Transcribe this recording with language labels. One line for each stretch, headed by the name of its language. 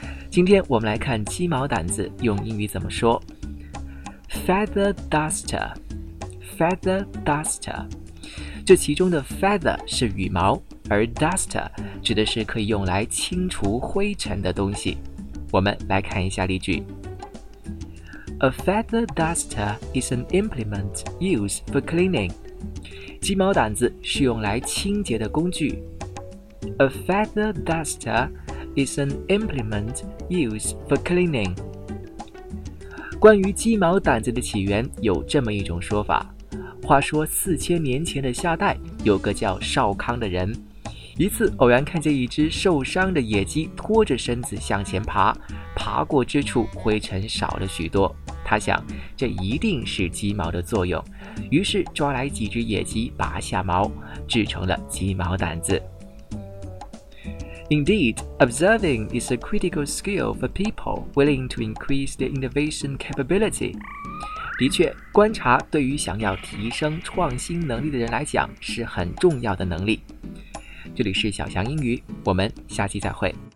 Chinese: 今天我们来看鸡毛掸子用英语怎么说。
English: Feather duster, feather duster。
Chinese: 这其中的 feather 是羽毛，而 duster 指的是可以用来清除灰尘的东西。我们来看一下例句。
English: A feather duster is an implement used for cleaning.
Chinese: 鸡毛掸子是用来清洁的工具。
English: A feather duster is an implement used for cleaning.
Chinese: 关于鸡毛掸子的起源有这么一种说法。话说4000年前的夏代，有个叫少康的人，一次偶然看见一只受伤的野鸡拖着身子向前爬，爬过之处灰尘少了许多，他想这一定是鸡毛的作用，于是抓来几只野鸡拔下毛，制成了鸡毛掸子。
English: Indeed, observing is a critical skill for people willing to increase their innovation capability.
Chinese: 的确，观察对于想要提升创新能力的人来讲是很重要的能力。这里是小强英语，我们下期再会。